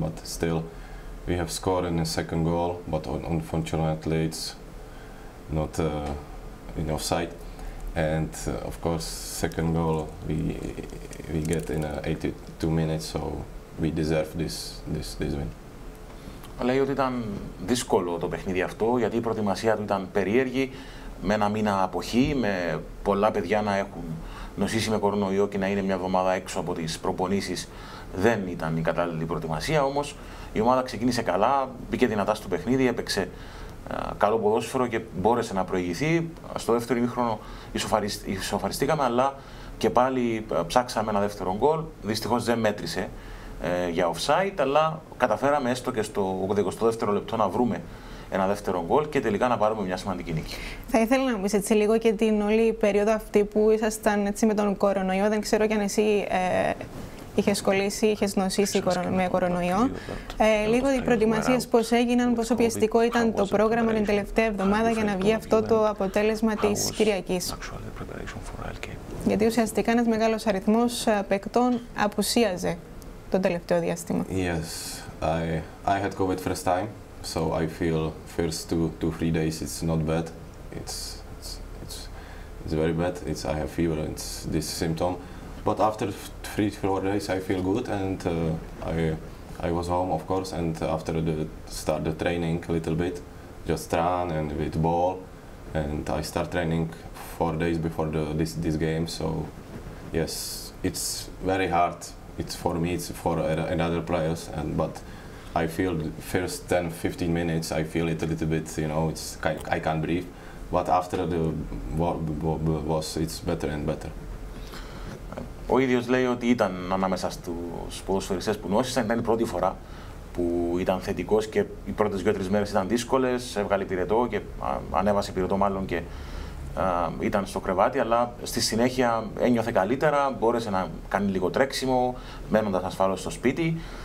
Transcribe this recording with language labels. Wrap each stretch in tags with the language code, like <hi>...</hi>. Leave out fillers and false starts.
<en>But still, we have scored in the second goal. But unfortunately, it's not in offside. And of course, second goal we get in 82 minutes, so we deserve this win.</en> <el>Λέει ότι ήταν δύσκολο το παιχνίδι αυτό, γιατί η προετοιμασία του ήταν περίεργη, με ένα μήνα αποχή, με πολλά παιδιά να έχουν νοσήσει με κορονοϊό και να είναι μια εβδομάδα έξω από τις προπονήσεις. Δεν ήταν η κατάλληλη προετοιμασία, όμως η ομάδα ξεκίνησε καλά, μπήκε δυνατά στο παιχνίδι, έπαιξε καλό ποδόσφαιρο και μπόρεσε να προηγηθεί. Στο δεύτερο ημίχρονο ισοφαριστήκαμε, αλλά και πάλι ψάξαμε ένα δεύτερο γκολ. Δυστυχώς δεν μέτρησε για offside, αλλά καταφέραμε έστω και στο 82ο λεπτό να βρούμε ένα δεύτερο γκολ και τελικά να πάρουμε μια σημαντική νίκη. Θα ήθελα να μου πεις λίγο και την όλη περίοδο αυτή που ήσασταν έτσι με τον κορονοϊό. Δεν ξέρω κι αν εσύ είχες κολλήσει, είχες νοσήσει με κορονοϊό. Λίγο οι προετοιμασίες πώς έγιναν, πόσο πιεστικό ήταν το πρόγραμμα την τελευταία εβδομάδα για να βγει αυτό το αποτέλεσμα της Κυριακής. Γιατί ουσιαστικά ένας μεγάλος αριθμός παικτών απουσίαζε το τελευταίο διάστημα.</el> <en>Yes, I had COVID first time, so I feel first 2-3 days it's not bad. It's very bad. I have fever, it's this symptom. But after 3-4 days, I feel good, and I was home, of course. And after the start the training a little bit, just run and with ball, and I start training 4 days before this game. So yes, it's very hard. It's for me. It's for another players. And but I feel first 10-15 minutes, I feel it a little bit. You know, it's I can't breathe. But after the was it's better and better.</en> <el>Ο ίδιος λέει ότι ήταν ανάμεσα στους ποδοσφαιριστές που νόσησαν. Ήταν η πρώτη φορά που ήταν θετικός και οι πρώτες 2-3 μέρες ήταν δύσκολες. Έβγαλε πυρετό και ανέβασε πυρετό, μάλλον, και ήταν στο κρεβάτι. Αλλά στη συνέχεια ένιωθε καλύτερα. Μπόρεσε να κάνει λίγο τρέξιμο, μένοντας ασφάλως στο σπίτι.</el>